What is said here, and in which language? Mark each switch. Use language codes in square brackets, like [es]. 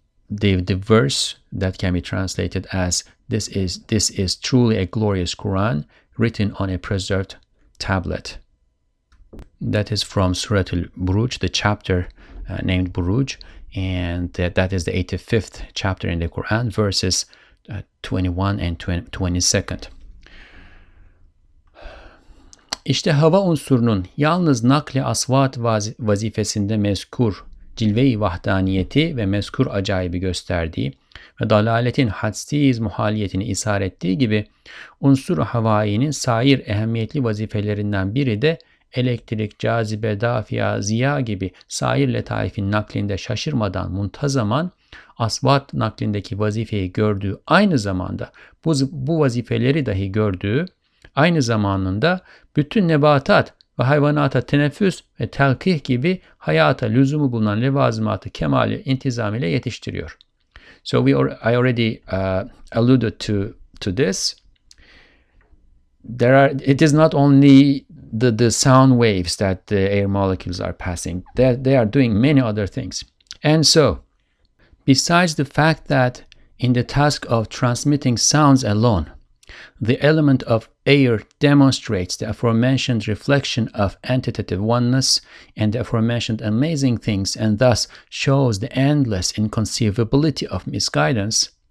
[en] The verse that can be translated as this is truly a glorious Quran written on a preserved tablet. That is from Surah Al-Buruj, the chapter named Buruj, and that is the 85th chapter in the Quran, verses 21 and 22nd. [tr] İşte hava unsurunun yalnız nakli asvat vazifesinde mezkur cilve-i vahdaniyeti ve mezkur acayibi gösterdiği ve dalaletin hadsiz muhaliyetini isar ettiği gibi unsur-u havainin sair ehemmiyetli vazifelerinden biri de elektrik, cazibe, dafiya, ziya gibi sair letaifin naklinde şaşırmadan muntazaman asvat naklindeki vazifeyi gördüğü aynı zamanda bu vazifeleri dahi gördüğü aynı zamanında bütün nebatat ve hayvanata teneffüs ve telkih gibi hayata lüzumu bulunan levazımatı kemali intizam ile yetiştiriyor. [en] So I already alluded to this. It is not only the sound waves that the air molecules are passing. They are doing many other things. And so, besides the fact that in the task of transmitting sounds alone, the element of air demonstrates the aforementioned reflection of entitative oneness and the aforementioned amazing things, and thus shows the endless inconceivability of misguidance,